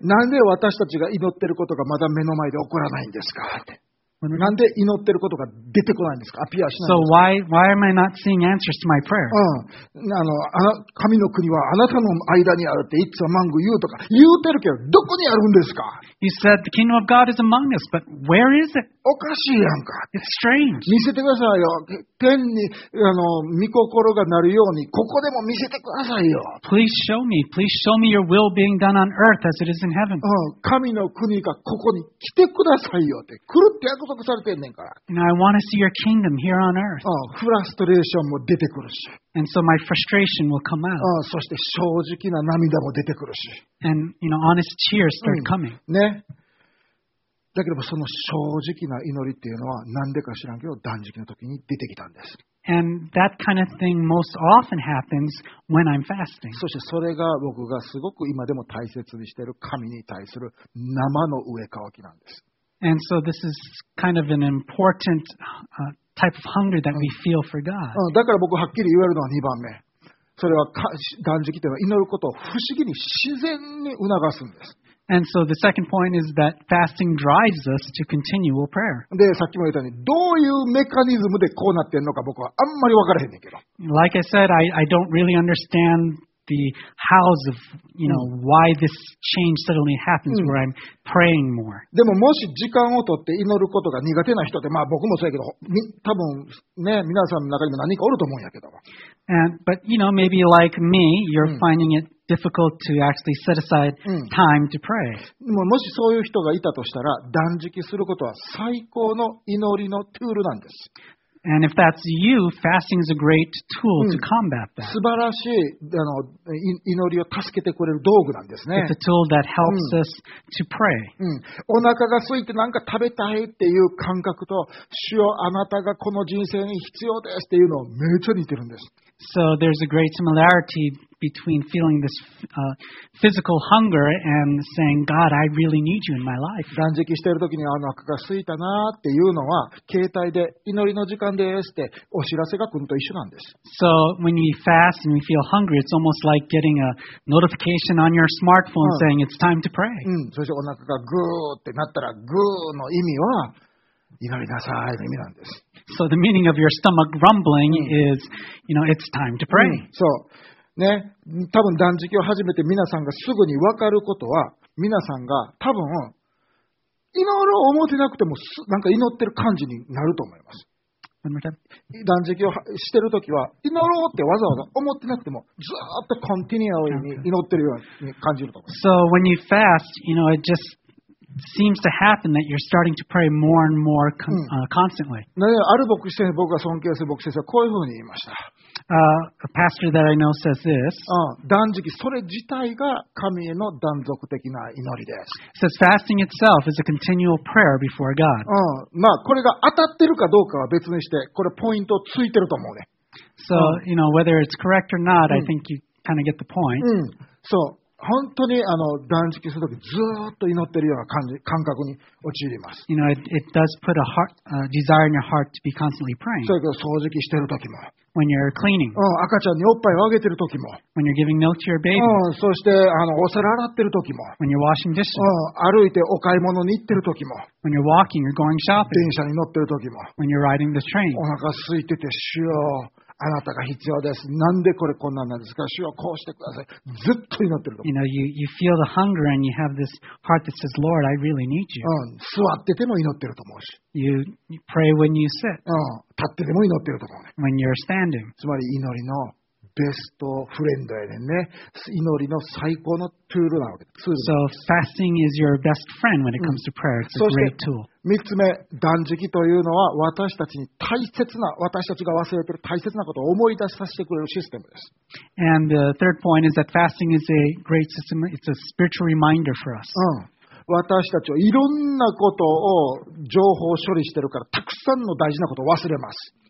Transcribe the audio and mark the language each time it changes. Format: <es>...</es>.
<ja>なんで私たちが祈ってることがまだ目の前で起こらないんですか。なんで祈ってることが出てこないんですか。アピアしないんですか。</ja> <en>So why am I not seeing answers to my prayer?</en> <ja>あの神の国はあなたの間にあるっていつもマング言うとか言うてるけどどこにあるんですか。</ja> <en>You said the kingdom of God is among us, but where is it?</en> <ja>おかしいやんか。</ja> <en>It's strange.</en> <ja>見せてくださいよ。天に御心がなるようにここでも見せてくださいよ。</ja> <en>Please show me. Please show me your will being done on earth as it is in heaven.</en> <ja>神の国がここに来てくださいよって来るって。約束されてんねんから。</ja> <en>And I want to see your kingdom here on earth.</en> <ja>フラストレーションも出てくるし。</ja> <en>And so my frustration will come out.</en> <ja>そして正直な涙も出てくるし。</ja> <en>And you know, honest tears start coming. ね。</en> <ja>だけどもその正直な祈りっていうのは何でか知らんけど断食の時に出てきたんです。</ja> <en>And that kind of thing most often happens when I'm fasting.</en> <ja>そしてそれが僕がすごく今でも大切にしている神に対する生の植え替わきなんです。</ja> <en>And so this is kind of an important type of hunger that we feel for God.</en> <ja>だから僕はっきり言えるのは2番目。それは断食というのは祈ることを不思議に自然に促すんです。</ja> <en>And so the second point is that fasting drives us to continual prayer.</en> <ja>で、さっきも言ったように、どういうメカニズムでこうなってんのか僕はあんまり分からへんねんけど。</ja> <en>Like I said, I don't really understand the hows of, you know, why this change suddenly happens where I'm praying more.</en> <ja>でももし時間を取って祈ることが苦手な人って、まあ僕もそうやけど、多分ね、皆さんの中にも何かおると思うんやけど。</ja> <en>And, but, you know, maybe like me, you're finding it difficult to actually set aside time to pray.</en> <ja>もしそういう人がいたとしたら、断食することは最高の祈りのツールなんです。</ja> <en>And if that's you, fasting is a great tool to combat that.</en> <ja>素晴らしい、祈りを助けてくれる道具なんですね。</ja> <en>It's a tool that helps us to pray.</en> <ja>お腹が空いて何か食べたいっていう感覚と、主よあなたがこの人生に必要ですっていうのをめっちゃ似てるんです。</ja> <en>So there's a great similarity between feeling this physical hunger and saying, God, I really need you in my life.</en> <ja>断食してる時にあの腹が空いたなっていうのは、携帯で祈りの時間ですってお知らせが来ると一緒なんです。</ja> <en>So when we fast and we feel hungry, it's almost like getting a notification on your smartphone saying it's time to pray.</en> <ja>そしてお腹がグーってなったら、グーの意味は祈りなさいの意味なんです。</ja> <en>So the meaning of your stomach rumbling is, you know, it's time to pray.</en> <ja>So, ね、多分断食を始めて皆さんがすぐに分かることは、皆さんが多分祈ろう思ってなくてもなんか祈ってる感じになると思います。断食をしてるときは祈ろうってわざわざ思ってなくてもずっとコンティニューアルに祈ってるように感じると思います。</ja> <en>So when you fast, you know, it justseems to happen that you're starting to pray more and more constantly.</en> <ja>ある牧師先生、僕が尊敬する牧師先生はこういうふうに言いました。</ja> <en>A pastor that I know says this.</en> <ja>断食、それ自体が神への断続的な祈りです。</ja> <en>Says fasting itself is a continual prayer before God.</en> <ja>まあこれが当たってるかどうかは別にして、これポイントついてると思うね。</ja> <en>So, you know, whether it's correct or not, I think you kind of get the point.</en> <ja>So,本当にあの断食するときずっと祈ってるような感覚に陥ります。</ja> <en>You know, it does put a heart, a desire in your heart to be constantly praying.</en> <ja>それから掃除機してるときも。</ja> <en>When you're cleaning.</en> <ja>赤ちゃんにおっぱいをあげてるときも。</ja> <en>When you're giving milk to your baby.</en> <ja>そしてあのお皿洗ってるときも。</ja> <en>When you're washing dishes.</en> <ja>歩いてお買い物に行ってるときも。</ja> <en>When you're walking or going shopping.</en> <ja>電車に乗ってるときも。</ja> <en>When you're riding the train.</en> <ja>お腹空いてて、しよう。あなたが必要です。なんでこれこんなんなんですか。主をこうしてください。ずっと祈ってると。</ja> <en>You know, you feel the hunger and you have this heart that says, Lord, I really need you.</en> <ja>座ってても祈ってると思うし。</ja> <en>You pray when you sit.</en> <ja>立ってても祈ってると思う、ね。</ja> <en>When you're standing.</en> <ja>つまり祈りのベストフレンドやねんね。祈りの最高のツールなわけ。</ja> <en>So fasting is your best friend when it comes to prayer. It's a great tool.</en> <ja>三つ目、断食というのは私たちに大切な、私たちが忘れている大切なことを思い出させてくれるシステムです。</ja> <en>And the third point is that fasting is a great system. It's a spiritual reminder for us.</en> <ja>私たちはいろんなことを情報処理しているからたくさんの大事なことを忘れます。</ja>